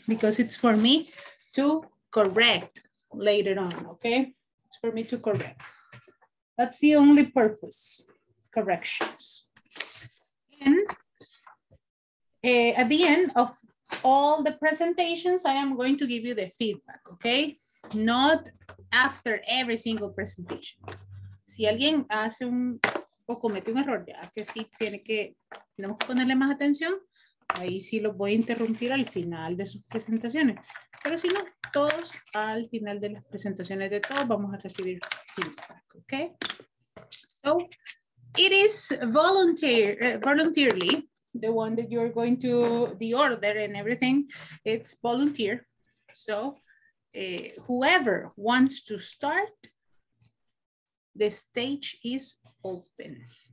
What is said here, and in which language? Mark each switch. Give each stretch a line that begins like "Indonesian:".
English: Because it's for me to correct later on, okay? It's for me to correct. That's the only purpose, corrections. And at the end of all the presentations, I am going to give you the feedback, okay? Not after every single presentation.
Spanish: Si alguien hace un o comete un error, ya que sí tiene que, tenemos que ponerle más atención. Ahí sí los voy a interrumpir al final de sus presentaciones. Pero si no, todos al final de las presentaciones de todos vamos a recibir feedback, ¿ok?
English: So, it is voluntarily, the one that you're going to, the order and everything, it's volunteer. So, whoever wants to start, the stage is open.